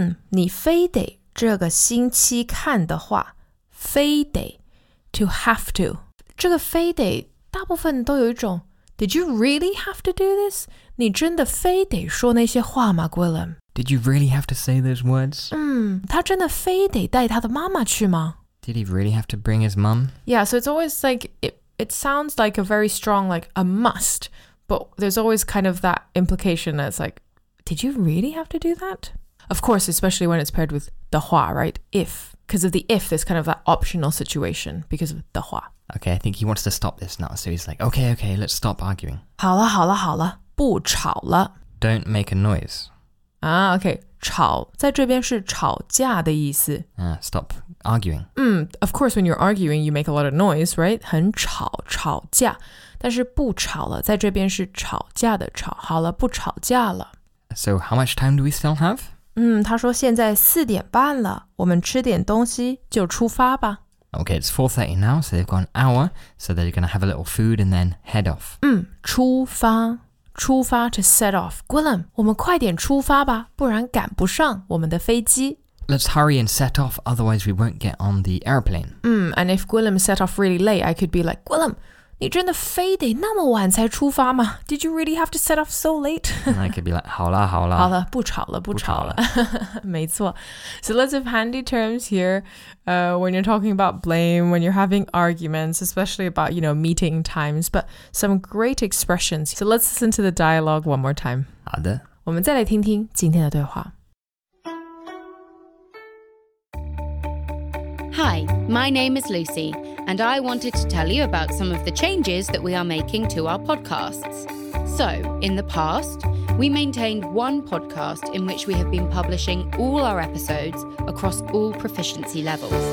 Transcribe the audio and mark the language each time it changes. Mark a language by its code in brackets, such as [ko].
[zh] 你非得这个星期看的话,非得, [en] to have to. [zh] 这个非得大部分都有一种 [en] did you really have to do this? [zh] 你真的非得说那些话吗, [en] Gwilym? Did you really have to say those words? [zh] 他真的非得带他的妈妈去吗? [en] Did he really have to bring his mom? Yeah, so it's always like, it sounds like a very strong, like a must, but there's always kind of that implication that's like, did you really have to do that? Of course, especially when it's paired with 的话, right? If, because of the if, there's kind of that optional situation because of 的话. Okay, I think he wants to stop this now, so he's like, okay, let's stop arguing. [zh] 好了好了好了,不吵了。 [en] Don't make a noise. [zh] Okay, 吵在这边是吵架的意思。 [en] Stop arguing. Of course, when you're arguing, you make a lot of noise, right? [zh] 很吵,吵架。但是不吵了,在这边是吵架的吵。好了,不吵架了。 [en] So how much time do we still have? [zh] 他说现在四点半了,我们吃点东西就出发吧。 [en] Okay, it's 4:30 now, so they've got an hour, so they're going to have a little food and then head off. [zh] 出发。出发 [en] to set off. [zh] Gwilym, 我们快点出发吧,不然赶不上我们的飞机。 [en] Let's hurry and set off, otherwise we won't get on the airplane. And if Gwilym set off really late, I could be like, Gwilym, [zh] 你真的非得那么晚才出发吗? [en] Did you really have to set off so late? And I could be like, [zh] 好啦好啦。 [en] 好了,不吵了,不吵了。没错。 So lots of handy terms here, when you're talking about blame, when you're having arguments, especially about, you know, meeting times, but some great expressions. So let's listen to the dialogue one more time. [zh] 好的。我们再来听听今天的对话。 [en] Hi, my name is Lucy, and I wanted to tell you about some of the changes that we are making to our podcasts. So, in the past, we maintained one podcast in which we have been publishing all our episodes across all proficiency levels.